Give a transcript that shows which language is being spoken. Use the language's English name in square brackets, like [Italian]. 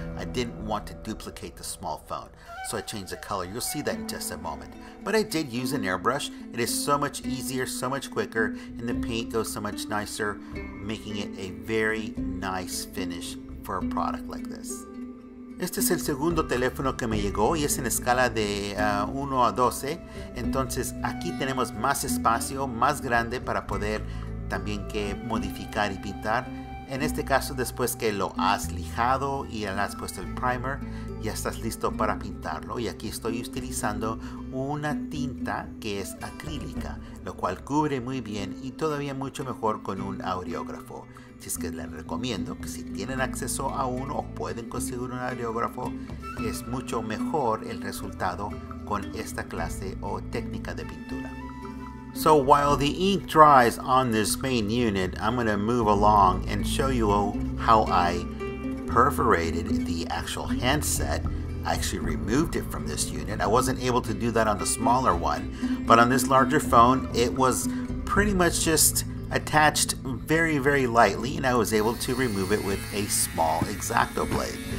[English] I didn't want to duplicate the small phone, so I changed the color. You'll see that in just a moment. But I did use an airbrush. It is so much easier, so much quicker, and the paint goes so much nicer, making it a very nice finish for a product like this. [Spanish] Este es el segundo teléfono que me llegó y es en escala de 1 a 12. Entonces aquí tenemos más espacio, más grande para poder también que modificar y pintar. En este caso, después que lo has lijado y le has puesto el primer, ya estás listo para pintarlo. Y aquí estoy utilizando una tinta que es acrílica, lo cual cubre muy bien y todavía mucho mejor con un aureógrafo. Así es que les recomiendo que si tienen acceso a uno o pueden conseguir un aureógrafo, es mucho mejor el resultado con esta clase o técnica de pintura. [English] So while the ink dries on this main unit, I'm going to move along and show you how I perforated the actual handset. I actually removed it from this unit. I wasn't able to do that on the smaller one, but on this larger phone, it was pretty much just attached very, very lightly, and I was able to remove it with a small X-Acto blade.